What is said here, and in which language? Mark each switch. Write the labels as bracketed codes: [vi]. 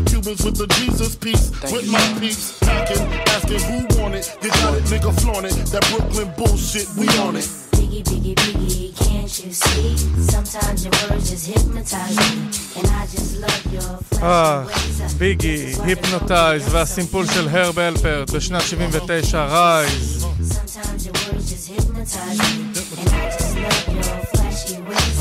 [en] Cubans with the Jesus peace, with my peace, packing, asking who want it. You got it, nigga, flaunt it. That Brooklyn bullshit, we on it. Biggie, Biggie, Biggie, can't you see? Sometimes your words just hypnotize me, and I just love your flashy ways. [he] Biggie, Hypnotize, והסימפול של הרב הלפרט בשנת 79, רייז. [en] Sometimes your words just hypnotize me, and I just love your flashy ways.